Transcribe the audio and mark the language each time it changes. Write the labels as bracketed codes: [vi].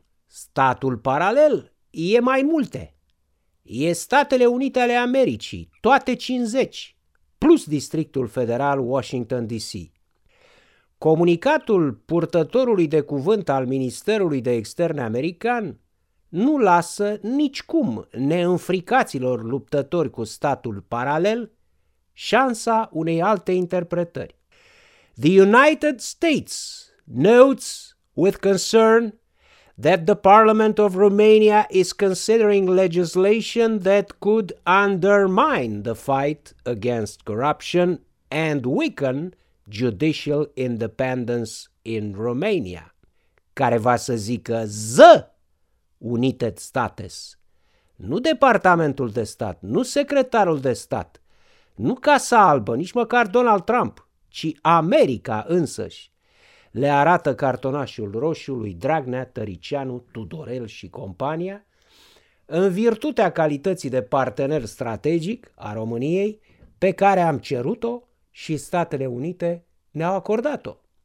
[ro] Statul paralel e mai multe. E Statele Unite ale Americii, toate 50, plus Districtul Federal Washington DC. Comunicatul purtătorului de cuvânt al Ministerului de Externe american nu lasă nicicum neînfricaților luptători cu statul paralel șansa unei alte interpretări. [en] The United States notes with concern that the Parliament of Romania is considering legislation that could undermine the fight against corruption and weaken judicial independence in Romania. [ro] Care va să zică ză United States, nu Departamentul de Stat, nu Secretarul de Stat, nu Casa Albă, nici măcar Donald Trump, ci America însăși. Le arată cartonașul roșu lui Dragnea, Tăriceanu, Tudorel și compania, în virtutea calității de partener strategic a României, pe care am cerut-o și Statele Unite ne-au acordat-o.